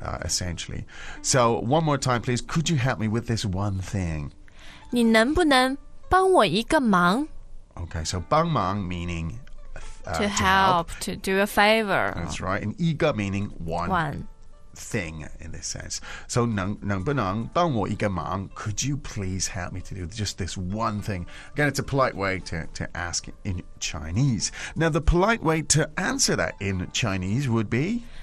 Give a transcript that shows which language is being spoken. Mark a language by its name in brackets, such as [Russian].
[English] Essentially. So one more time, please. Could you help me with this one thing? [Chinese] 你能不能帮我一个忙? [English] Okay, so [Chinese] 帮忙 [English] meaning... To help, to do a favor. That's right. And [Chinese] 一个 [English] meaning one thing in this sense. [Chinese] So 能不能帮我一个忙? [English] Could you please help me to do just this one thing? Again, it's a polite way to ask in Chinese. Now, the polite way to answer that in Chinese would be?